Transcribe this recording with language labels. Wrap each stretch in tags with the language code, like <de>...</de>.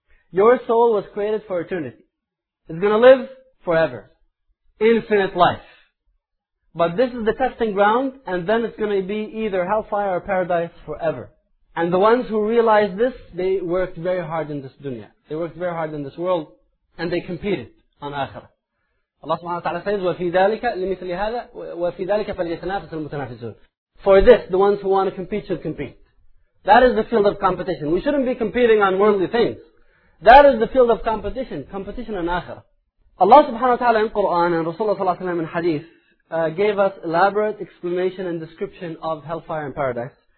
<en>Your soul was created for eternity. It's going to live forever. Infinite life. But this is the testing ground, and then it's going to be either hellfire or paradise forever. And the ones who realized this, they worked very hard in this dunya. They worked very hard in this world, and they competed on akhirah.</en> <ar>Allah subhanahu wa ta'ala says, وَفِي ذَلِكَ لِمِثْلِ هَذَا وَفِي ذَلِكَ فَلْيَتَنَافِسَ الْمُتَنَافِسُونَ.</ar> <en>For this, the ones who want to compete should compete. That is the field of competition. We shouldn't be competing on worldly things. That is the field of competition, competition on akhirah. Allah subhanahu wa ta'ala in Qur'an and Rasulullah sallallahu alayhi wa sallam in hadith gave us elaborate explanation and description of hellfire and paradise.</en>